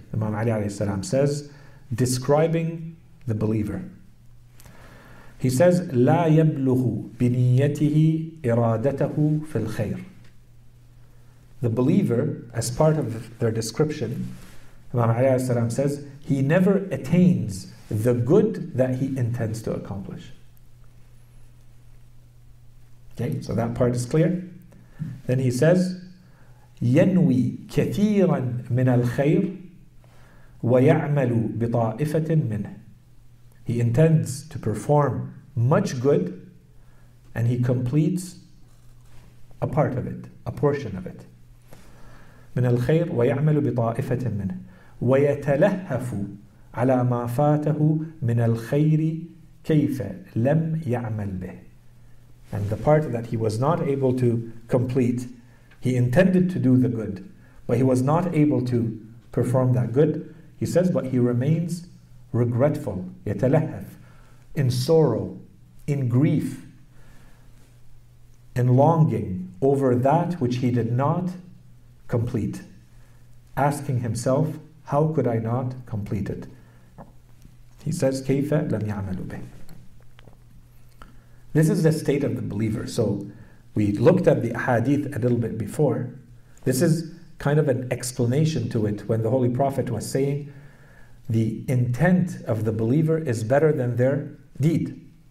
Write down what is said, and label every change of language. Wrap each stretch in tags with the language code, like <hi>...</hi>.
<en>Imam Ali alayhi salam says, describing the believer, he says,</en> <ar>لَا يَبْلُغُ بِنِيَّتِهِ إِرَادَتَهُ فِي الْخَيْرِ.</ar> <en>The believer, as part of their description, Imam Ali alayhi salam says, he never attains the good that he intends to accomplish. Okay, so that part is clear. Then he says,</en> <ar>ينوي كثيرا من الخير ويعمل بطائفة منه.</ar> <en>He intends to perform much good, and he completes a part of it, a portion of it.</en> <ar>من الخير ويعمل بطائفة منه. ويتلهف على ما فاته من الخير كيف لم يعمل به.</ar> <en>And the part that he was not able to complete, he intended to do the good, but he was not able to perform that good, he says, but he remains regretful, يتلهف, in sorrow, in grief, in longing over that which he did not complete, asking himself, how could I not complete it? He says,</en> <ar>كيف لم يعمل به.</ar> <en>This is the state of the believer. So we looked at the hadith a little bit before. This is kind of an explanation to it when the Holy Prophet was saying the intent of the believer is better than their deed.</en>